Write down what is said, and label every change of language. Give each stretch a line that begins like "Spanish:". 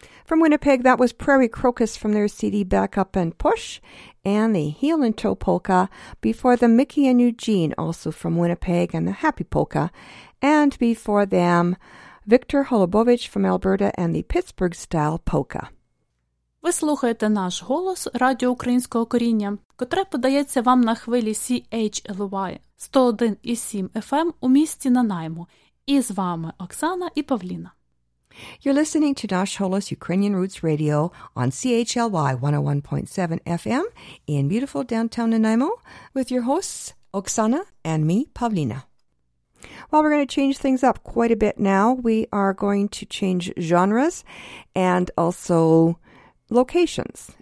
English: Winnipeg, that was Prairie Crocus from their CD Back Up and Push, and the Heel and Toe Polka before the Mickey and Eugene, also from Winnipeg, and the Happy Polka, and before them, Victor Holubovich from Alberta and the Pittsburgh Style Polka.
Ukrainian: Ви слухаєте наш голос Радіо Українського коріння, котре подається вам на хвилі CHLY 101.7 FM у місті Нанаймо. І з вами Оксана і Павліна.
English: You're listening to Nash Holos Ukrainian Roots Radio on CHLY 101.7 FM in beautiful downtown Nanaimo with your hosts, Oksana and me, Pavlina. Well, we're going to change things up quite a bit now. We are going to change genres and also locations.